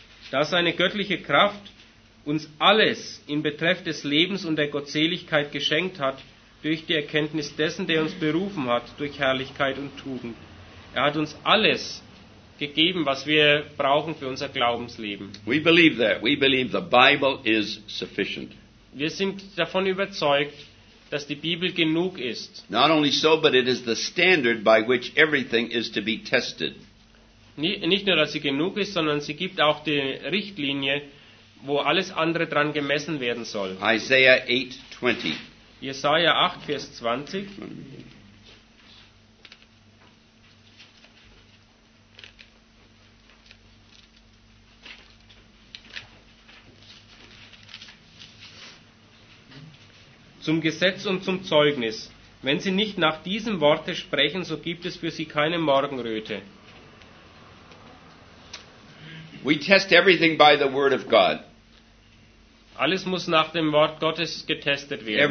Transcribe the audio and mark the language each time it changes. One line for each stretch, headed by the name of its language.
German: Dass seine göttliche Kraft uns alles in Betreff des Lebens und der Gottseligkeit geschenkt hat, durch die Erkenntnis dessen, der uns berufen hat, durch Herrlichkeit und Tugend. Er hat uns alles gegeben, was wir brauchen für unser Glaubensleben.
English: We believe that. We believe the Bible is sufficient.
German: Wir sind davon überzeugt, dass die Bibel genug ist.
English: Not only so, but it is the standard by which everything is to be tested.
German: Nicht nur, dass sie genug ist, sondern sie gibt auch die Richtlinie, wo alles andere dran gemessen werden soll.
English: Isaiah 8:20.
German: Jesaja 8, Vers 20. Zum Gesetz und zum Zeugnis. Wenn sie nicht nach diesem Worte sprechen, so gibt es für sie keine Morgenröte.
English: We test everything by the word of God.
German: Alles muss nach dem Wort Gottes getestet werden.